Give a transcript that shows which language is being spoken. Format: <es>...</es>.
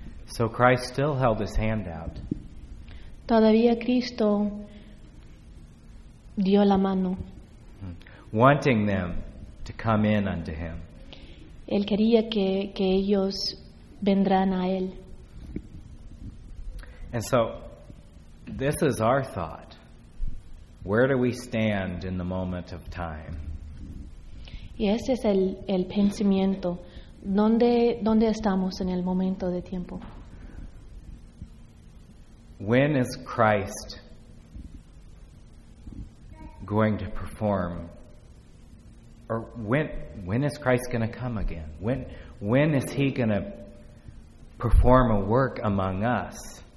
<en>So Christ still held his hand out.</en> <es>Todavía Cristo dio la mano.</es> <en>Wanting them to come in unto him.</en> <es>Él quería que ellos vendrán a él.</es> <en>And so, this is our thought. Where do we stand in the moment of time?</en> <es>Y ese es el pensamiento. ¿Dónde estamos en el momento de tiempo?</es> <en>When is Christ going to perform? Or when is Christ going to come again? When is he going to perform a work among us?</en>